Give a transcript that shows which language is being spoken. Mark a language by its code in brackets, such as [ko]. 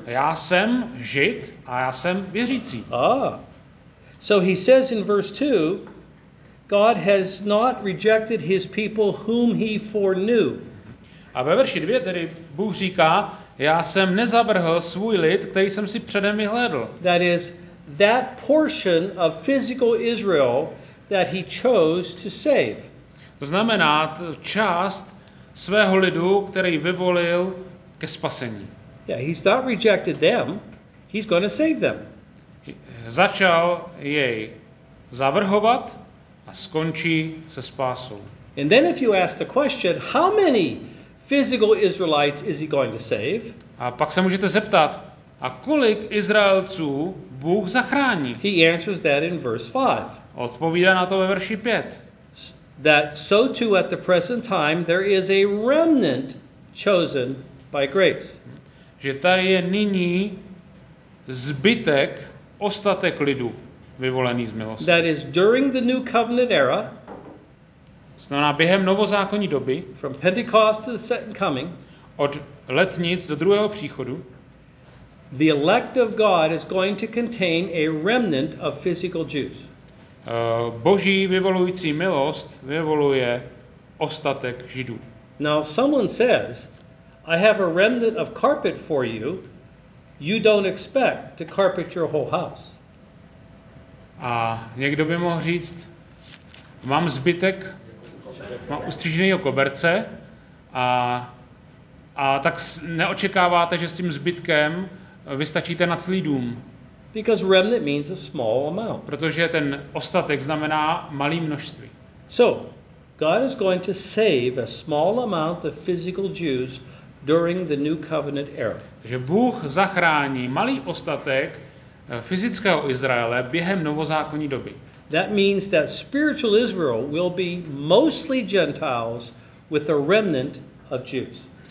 [cs] Já jsem Žid a já jsem věřící. Ah. [en] So he says in verse 2, God has not rejected his people whom he foreknew. [cs] A ve verši 2 tedy Bůh říká, já jsem nezavrhl svůj lid, který jsem si předem vyhlédl. [en] That is that portion of physical Israel that he chose to save. [cs] To znamená část svého lidu, který vyvolil ke spasení. [en] Yeah, he's not rejected them. He's going to save them. [cs] Začal jej zavrhovat a skončí se spásou. [en] And then if you ask the question, how many physical Israelites is he going to save? [cs] A pak se můžete zeptat, a kolik Izraelců Bůh zachrání? [en] He answers that in verse 5. [cs] Odpovídá na to ve verši 5. [en] That so too at the present time there is a remnant chosen by grace. [cs] Že tady je nyní zbytek, ostatek lidu vyvolený z milosti. [en] That is during the new covenant era. [cs] Znamená během novozákonní doby. [en] From Pentecost to the second coming. [cs] Od letnic do druhého příchodu. [en] The elect of God is going to contain a remnant of physical Jews. [cs] Boží vyvolující milost vyvoluje ostatek Židů. [en] Now someone says, I have a remnant of carpet for you. You don't expect to carpet your whole house. [cs] A někdo by mohl říct, mám zbytek, mám ustřiženýho koberce a tak neočekáváte, že s tím zbytkem vystačíte na celý dům. [en] Because remnant means a small amount. [cs] Protože ten ostatek znamená malý množství. [en] So, God is going to save a small amount of physical Jews during the new covenant era. [cs] Že Bůh zachrání malý ostatek fyzického Izraele během novozákonní doby. [en] That means that spiritual Israel will be mostly Gentiles with a remnant of Jews.